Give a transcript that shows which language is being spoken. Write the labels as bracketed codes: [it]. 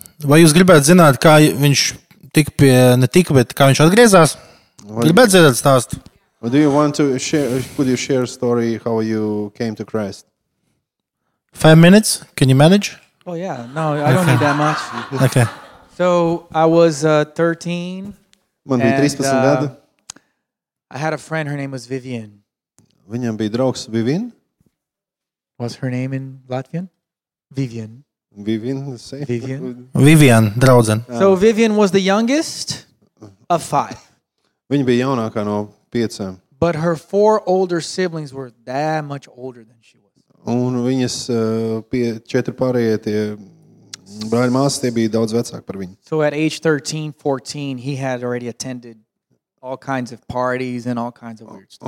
[lv] Vai jūs gribētu zināt, kā viņš tika pie, ne tika, bet kā viņš atgriezās? Gribētu zināt stāstu? [en] Do you want to share, could you share a story how you came to Christ? 5 minutes? Can you manage? Oh, yeah. No, I don't need that much. Okay. So, I was 13. [lv] Man bija 13 gadu. [en] I had a friend, her name was Vivian. [lv] Viņam bija draugs Vivian. [en] Was her name in Latvian? Vivian. Vivian, say. Vivian. [lv] Vivian, draudzen. [en] So Vivian was the youngest of 5. [lv] Viņa bija jaunākā no 5. [en] But her 4 older siblings were that much older than she was. [lv] Un viņas 4 pārējie tie brāļi māsas tie bija daudz vecāki par viņu. [en] So at age 13, 14, he had already attended all kinds of parties and all kinds of weird stuff.